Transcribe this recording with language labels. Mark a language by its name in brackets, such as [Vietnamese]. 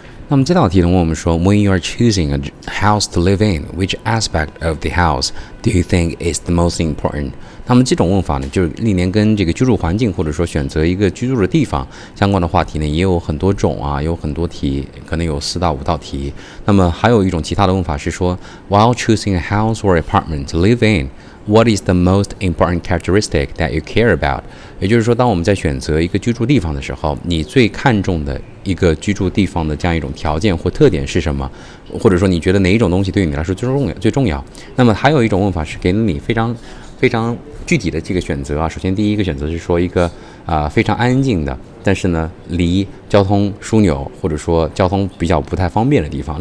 [Chinese] 那么这道题呢，我们说 [English] When you are choosing a house to live in, which aspect of the house do you think is the most important? [Chinese] 那么这种问法呢，就是历年跟这个居住环境或者说选择一个居住的地方相关的话题呢，也有很多种啊，有很多题，可能有四到五道题。那么还有一种其他的问法是说 [English] While choosing a house or apartment to live in, what is the most important characteristic that you care about? [Chinese] 也就是说，当我们在选择一个居住地方的时候，你最看重的一个居住地方的这样一种条件或特点是什么，或者说你觉得哪一种东西对你来说最重要。那么还有一种问法是给你非常具体的这个选择啊，首先第一个选择是说一个非常安静的，但是呢离交通枢纽或者说交通比较不太方便的地方。